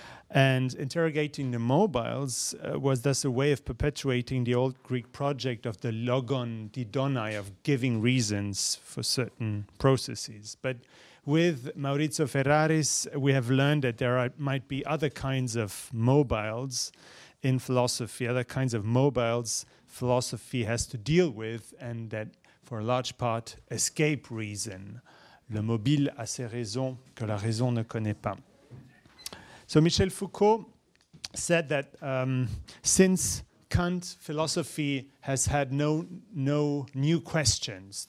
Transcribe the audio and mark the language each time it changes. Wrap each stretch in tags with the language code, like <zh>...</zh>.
<en>and interrogating the mobiles was thus a way of perpetuating the old Greek project of the logon didonai, of giving reasons for certain processes. But with Maurizio Ferraris, we have learned that there might be other kinds of mobiles in philosophy, other kinds of mobiles philosophy has to deal with, and that for a large part escape reason.</en> <fr>Le mobile a ses raisons que la raison ne connaît pas.</fr> <en>So Michel Foucault said that since Kant, philosophy has had no new questions.</en>